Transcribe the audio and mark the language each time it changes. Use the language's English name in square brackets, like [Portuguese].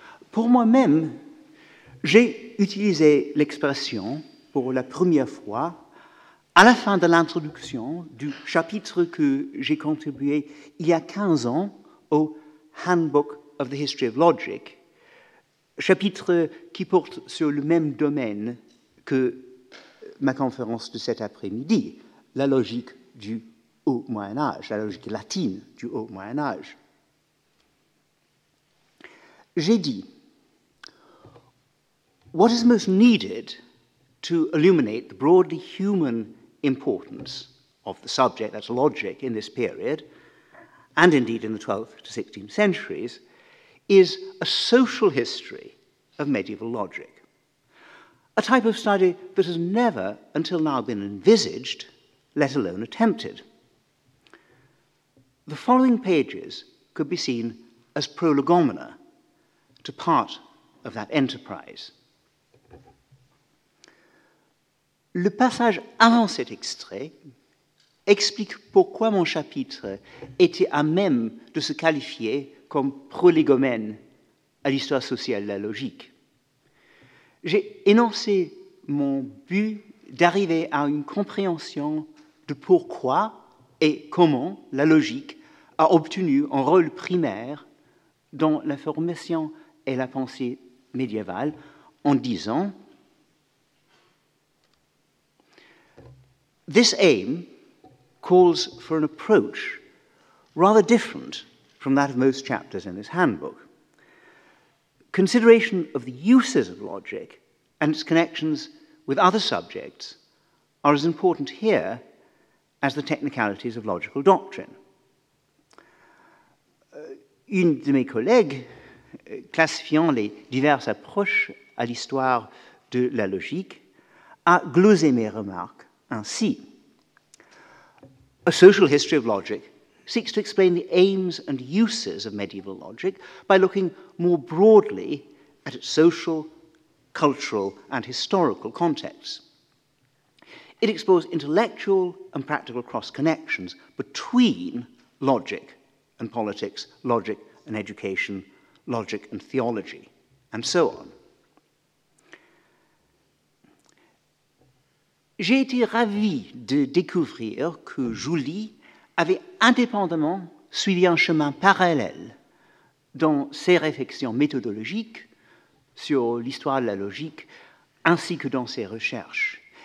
[French] Pour moi-même, j'ai utilisé l'expression pour la première fois à la fin de l'introduction du chapitre que j'ai contribué il y a 15 ans au Handbook of the History of Logic, chapitre qui porte sur le même domaine que ma conférence de cet après-midi, la logique du Haut Moyen-Âge, la logique latine du Haut Moyen-Âge. J'ai dit, [English] what is most needed to illuminate the broadly human importance of the subject, that's logic, in this period, and indeed in the 12th to 16th centuries, is a social history of medieval logic, a type of study that has never until now been envisaged, let alone attempted. The following pages could be seen as prolegomena to part of that enterprise. [French] Le passage avant cet extrait explique pourquoi mon chapitre était à même de se qualifier comme prolégomène à l'histoire sociale de la logique. J'ai énoncé mon but d'arriver à une compréhension de pourquoi et comment la logique a obtenu un rôle primaire dans la formation et la pensée médiévale, en disant, [English] this aim calls for an approach rather different from that of most chapters in this handbook. consideration of the uses of logic and its connections with other subjects are as important here as the technicalities of logical doctrine. [French] Une de mes collègues, classifiant les diverses approches à l'histoire de la logique, a glosé mes remarques ainsi. [English] A social history of logic seeks to explain the aims and uses of medieval logic by looking more broadly at its social, cultural, and historical contexts. It explores intellectual and practical cross-connections between logic and politics, logic and education, logic and theology, and so on. [French] J'ai été ravi de découvrir que Julie avait indépendamment suivi un chemin parallèle dans ses réflexions méthodologiques sur l'histoire de la logique, ainsi que dans ses recherches.